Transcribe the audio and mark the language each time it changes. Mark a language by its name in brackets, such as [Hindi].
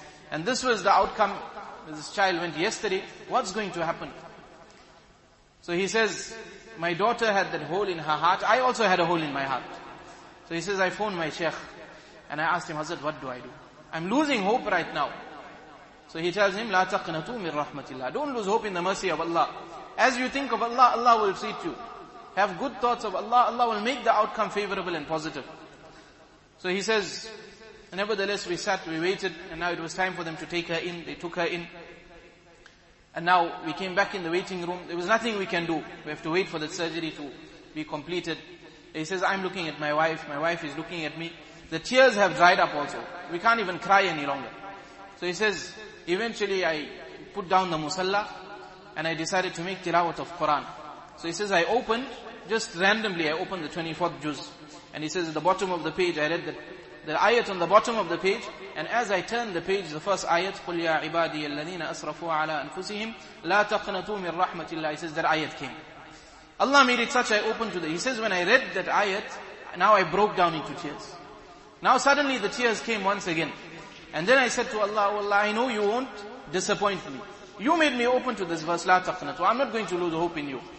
[English] And this was the outcome this child went yesterday. What's going to happen? So he says, my daughter had that hole in her heart. I also had a hole in my heart. So he says, I phoned my sheikh and I asked him, Hazrat, what do I do? I'm losing hope right now. So he tells him, [Arabic] لا تقنطوا من رحمة الله. [English] Don't lose hope in the mercy of Allah. As you think of Allah, Allah will treat you. Have good thoughts of Allah. Allah will make the outcome favorable and positive. So he says, Nevertheless, we sat, we waited, and now it was time for them to take her in. They took her in. And now we came back in the waiting room. There was nothing we can do. We have to wait for the surgery to be completed. He says, I'm looking at my wife. My wife is looking at me. The tears have dried up also. We can't even cry any longer. So he says, eventually I put down the musalla and I decided to make tilawat of Quran. So he says, I opened, just randomly I opened the 24th juz. And he says, at the bottom of the page, I read the ayat on the bottom of the page. And as I turned the page, the first ayat, [Arabic] قُلْ يَا عِبَادِيَ الَّذِينَ أَسْرَفُوا عَلَىٰ أَنفُسِهِمْ لَا تَقْنَتُوا مِنْ رَحْمَةِ اللَّهِ. [English] He says, that ayat came. Allah made it such, I opened to the... He says, when I read that ayat, now I broke down into tears. Now suddenly the tears came once again. And then I said to Allah, oh Allah, I know you won't disappoint me. You made me open to this verse, [Arabic] لَا تَقْنَتُوا. [English] I'm not going to lose hope in you.